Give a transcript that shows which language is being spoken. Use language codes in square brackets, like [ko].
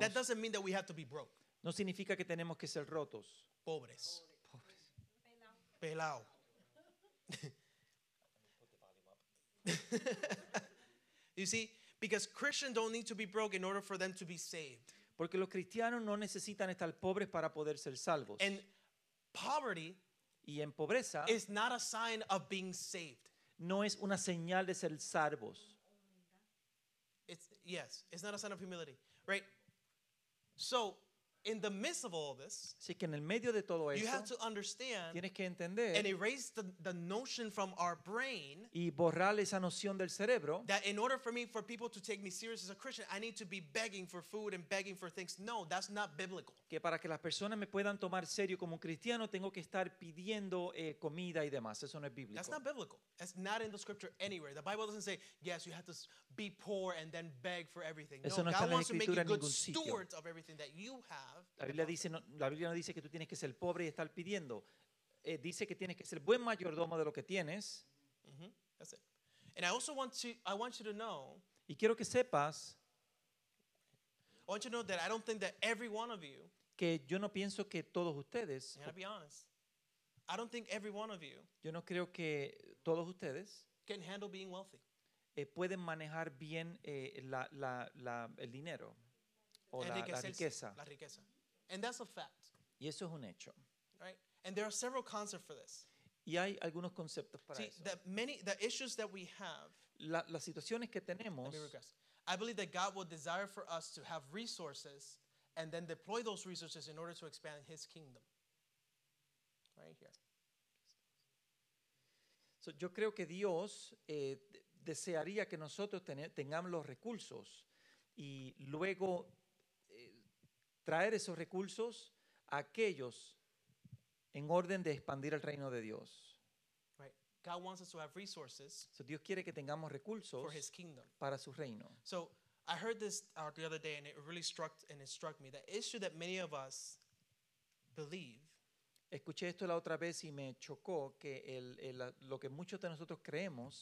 [en] that doesn't mean that we have to be broke. [es] No significa que tenemos que ser rotos. Pobres. Pobres. Pelao. [en] You see, because Christians don't need to be broke in order for them to be saved. [es] Porque los cristianos no necesitan estar pobres para poder ser salvos. [en] And poverty [es] y en pobreza [en] is not a sign of being saved. [es] No es una señal de ser salvos. [en] It's not a sign of humility, right? So in the midst of all this, [es] así que en el medio de todo esto, [en] you have to understand, [es] tienes que entender, [en] and erase the notion from our brain, [es] y borrar esa noción del cerebro, [en] that in order for people to take me serious as a Christian, I need to be begging for food and begging for things. No, that's not biblical. [es] Que para que las personas me puedan tomar serio como un cristiano, tengo que estar pidiendo comida y demás. Eso no es bíblico. [en] That's not biblical. It's not in the scripture anywhere. The Bible doesn't say, yes, you have to be poor and then beg for everything. [es] Eso no [en] God wants [es] escritura [en] to make you good [es] sitio. [en] Stewards of everything that you have. [es] La Biblia no dice que tú tienes que ser pobre y estar pidiendo. Dice que tienes que ser buen mayordomo de lo que tienes. [en] Mm-hmm. That's it. And I also want you to know. [es] Y quiero que sepas. [en] I want you to know that I don't think that every one of you. [es] Que yo no pienso que todos ustedes. [en] I'm gonna be honest. I don't think every one of you. [es] Yo no creo que todos ustedes. [en] Can handle being wealthy. [es] Pueden manejar bien el dinero. La riqueza. [en] And that's a fact. [es] Y eso es un hecho. [en] Right? And there are several concepts for this. [es] Y hay algunos conceptos para [en] see, [es] eso. [en] The issues that we have. [es] Las situaciones que tenemos. [en] Let me regress. I believe that God will desire for us to have resources and then deploy those resources in order to expand his kingdom. Right here. [es] So yo creo que Dios desearía que nosotros tengamos los recursos y luego traer esos recursos a aquellos en orden de expandir el reino de Dios. [en] Right. God wants us to have resources. [es] So Dios quiere que tengamos recursos [en] for his kingdom. [es] Para su reino. [en] So I heard this the other day and it really struck me. The issue that many of us believe. [es] Escuché esto la otra vez y me chocó que lo que muchos de nosotros creemos.